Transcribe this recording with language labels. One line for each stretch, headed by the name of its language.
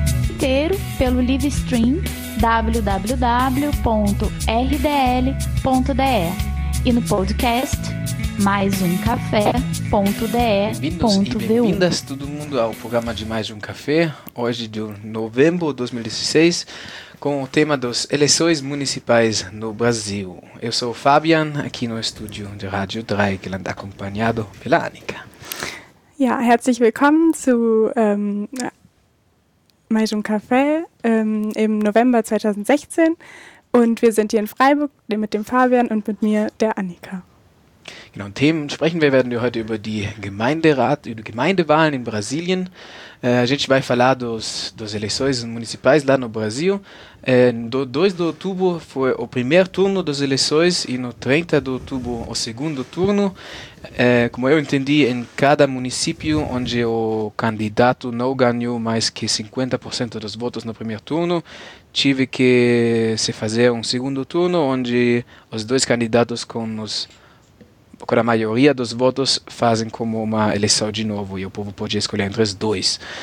Portuguese: Inteiro pelo live stream www.rdl.de e no podcast maisumcafé.de.vu. Bem-vindas, todo mundo, ao programa de Mais um Café, hoje de novembro de 2016, com o tema das eleições municipais no Brasil. Eu sou o Fabian, aqui no estúdio de Rádio Dreieckland, acompanhado pela Annika.
German: Ja, herzlich willkommen zu Mais um Café im November 2016. Und wir sind hier in Freiburg mit dem Fabian und mit mir, der Annika. Genau, Themen sprechen wir, werden wir heute über die Gemeinderat, über die Gemeindewahlen in Brasilien.
Portuguese: A gente vai falar das eleições municipais lá no Brasil. No 2 de outubro foi o primeiro turno das eleições e no 30 de outubro o segundo turno. Como eu entendi, em cada município onde o candidato não ganhou mais que 50% dos votos no primeiro turno, tive que se fazer um segundo turno onde os dois candidatos com os com a maioria dos votos fazem como uma eleição de novo e o povo pode escolher entre os dois.